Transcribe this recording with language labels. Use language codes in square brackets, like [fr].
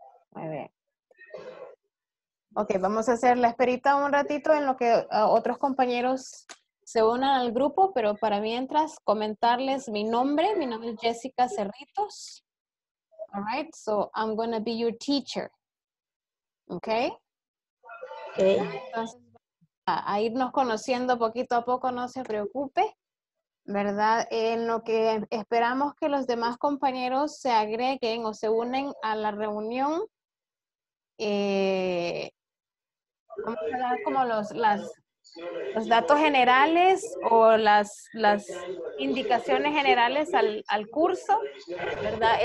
[es] Muy bien. Ok, vamos a hacer la esperita un ratito en lo que otros compañeros se unan al grupo, pero para mientras comentarles mi nombre es Jessica Cerritos. [en] All right, so I'm going to be your teacher. Okay? Okay. [es] Entonces, a irnos conociendo poquito a poco, no se preocupe. ¿Verdad? En lo que esperamos que los demás compañeros se agreguen o se unen a la reunión, vamos a dar como los datos generales o las indicaciones generales al curso, ¿verdad?